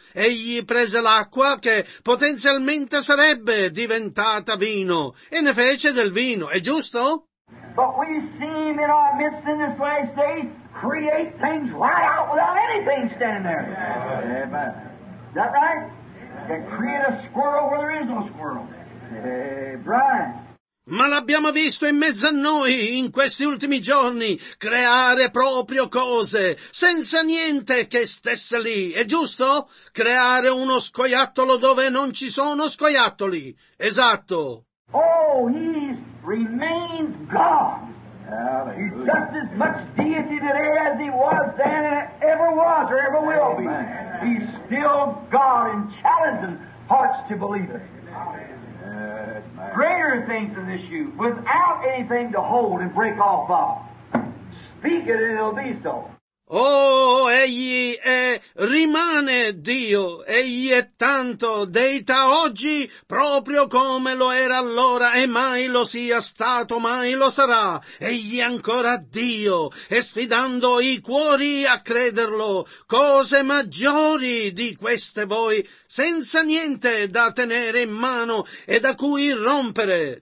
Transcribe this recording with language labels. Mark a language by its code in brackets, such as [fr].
[it] Egli prese l'acqua che potenzialmente sarebbe diventata vino e ne fece del vino. È giusto? [en] But we seem in our midst in this last day create things right out without anything standing there. Is that right? Can create a squirrel where there is no squirrel. Brian. [it] Ma l'abbiamo visto in mezzo a noi, in questi ultimi giorni, creare proprio cose, senza niente che stesse lì, è giusto? Creare uno scoiattolo dove non ci sono scoiattoli, esatto. [en] Oh, he remains God. He's just as much deity today as he was then and ever was or ever will be. He's still God and challenging hearts to believe it. Greater things than this you, without anything to hold and break off of. Speak it and it'll be so. [it] Oh, egli è, rimane Dio, egli è tanto deità oggi, proprio come lo era allora e mai lo sia stato, mai lo sarà. Egli è ancora Dio, e sfidando i cuori a crederlo, cose maggiori di queste voi, senza niente da tenere in mano e da cui rompere.